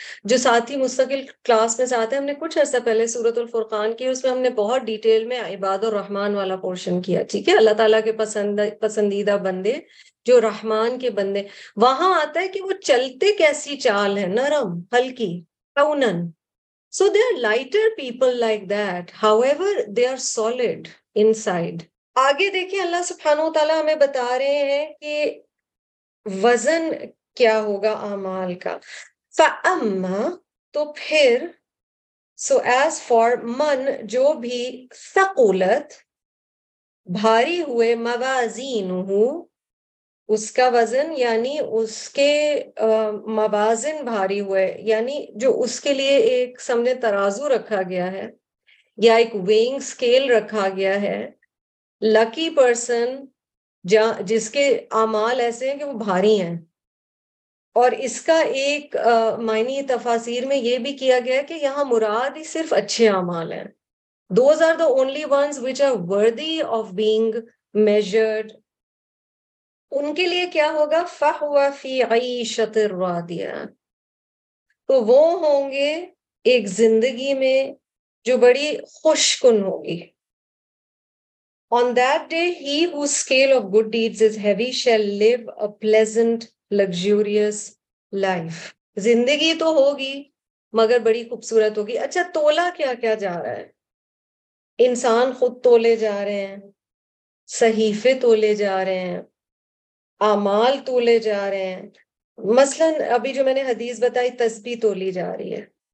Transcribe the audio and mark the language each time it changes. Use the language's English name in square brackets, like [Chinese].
[Urdu] جو ساتھی مستقل کلاس میں سے آتے ہیں, ہم نے کچھ عرصہ پہلے سورۃ الفرقان کی, اس میں ہم نے بہت ڈیٹیل میں عباد الرحمن والا پورشن کیا. ٹھیک ہے, اللہ تعالیٰ کے پسندیدہ بندے, جو رحمان کے بندے, وہاں آتا ہے کہ وہ چلتے کیسی چال ہے, نرم ہلکی, کونن. [English] So they are lighter people like that. However, they are solid inside. [Urdu] آگے دیکھیں, اللہ سبحانہ وتعالی ہمیں بتا رہے ہیں کہ وزن کیا ہوگا اعمال کا. فَأَمَّا, تو پھر, [English] so as for [Urdu] من, جو بھی, ثقلت, بھاری ہوئے, موازینہ, اس کا وزن, یعنی اس کے موازن بھاری ہوئے, یعنی جو اس کے لیے ایک سامنے ترازو رکھا گیا ہے یا ایک [English] weighing scale [Urdu] رکھا گیا ہے. [English] lucky person, [Urdu] جس کے اعمال ایسے ہیں کہ وہ بھاری ہیں. اور اس کا ایک معنی تفاسیر میں یہ بھی کیا گیا کہ یہاں مراد ہی صرف اچھے اعمال ہیں. [English] Those are the only ones which are worthy of being measured. [Urdu] ان کے لیے کیا ہوگا, [Arabic] فہو فی عیشت الرادیہ, [Urdu] تو وہ ہوں گے ایک زندگی میں جو بڑی خوش کن ہوگی. [English] On that day, he whose scale of good deeds is heavy shall live a pleasant, luxurious life. [Urdu] زندگی تو ہوگی مگر بڑی خوبصورت ہوگی. اچھا, تولا کیا کیا جا رہا ہے, انسان خود تولے جا رہے ہیں, صحیفے تولے جا رہے ہیں, اعمال تولے جا رہے ہیں. مثلاً ابھی جو میں نے حدیث بتائی, تسبیح تولی جا رہی ہے.